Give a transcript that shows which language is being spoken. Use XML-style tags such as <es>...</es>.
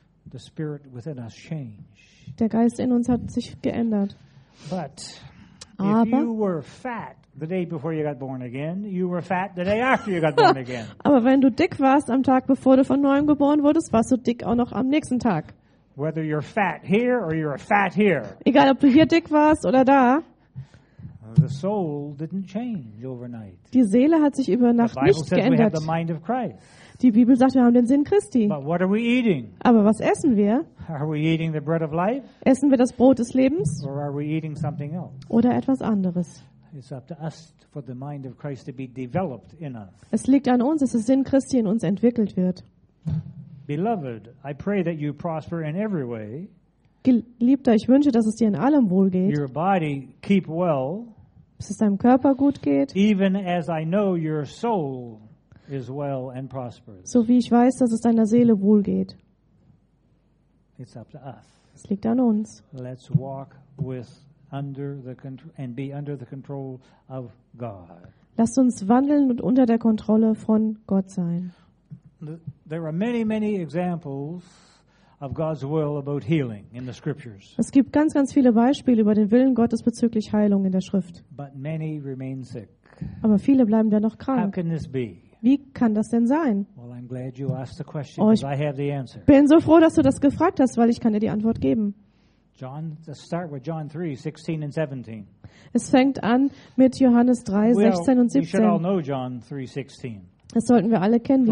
<en>The spirit within us changed.</en> <de>Der Geist in uns hat sich geändert.</de> <en>But</en> <de>aber</de> <en>if you were fat the day before you got born again, you were fat the day after you got born again.</en> <de>Aber wenn du dick warst am Tag, bevor du von neuem geboren wurdest, warst du dick auch noch am nächsten Tag.</de> <en>Whether you're fat here or you're fat here.</en> <de>Egal, ob du hier dick warst oder da.</de> <en>The soul didn't change overnight.</en> <de>Die Seele hat sich über Nacht nicht geändert.</de> <en>The mind of Christ.</en> <de>Die Bibel sagt, wir haben den Sinn Christi.</de> <en>But what are we eating?</en> <de>Aber was essen wir?</de> <en>Are we eating the bread of life?</en> <de>Essen wir das Brot des Lebens?</de> <en>Or are we eating something else?</en> <de>Oder etwas anderes?</de> <en>It's up to us for the mind of Christ to be developed in us.</en> <de>Es liegt an uns, dass der Sinn Christi in uns entwickelt wird.</de> <en>Beloved, I pray that you prosper in every way.</en> <de>Geliebter, ich wünsche, dass es dir in allem wohl geht.</de> <en>Your body keep well.</en> <de>Dass es deinem Körper gut geht.</de> <en>Even as I know your soul is well and prosperous.</en> <de>So wie ich weiß, dass es deiner Seele wohl geht.</de> <en>It's up to us.</en> <de>Es liegt an uns.</de> <en>Let's walk with under the and be under the control of God.</en> <de>Lasst uns wandeln und unter der Kontrolle von Gott sein.</de> <en>There are many, many examples of God's will about healing in the scriptures.</en> <de>Es gibt ganz, ganz viele Beispiele über den Willen Gottes bezüglich Heilung in der Schrift.</de> <en>But many remain sick.</en> <de>Aber viele bleiben dennoch krank.</de> <en>How can this be?</en> <de>Wie kann das denn sein?</de> <en>Well, I'm glad you asked the question, because I have the answer.</en> <de>Bin so froh, dass du das gefragt hast, weil ich kann dir die Antwort geben.</de> <en>John, let's start with John 3, 16 and 17.</en> <de>Es fängt an mit Johannes 3, 16 und 17.</de> <en>We should all know John 3, 16.</en> <de>Das sollten wir alle kennen, die</de>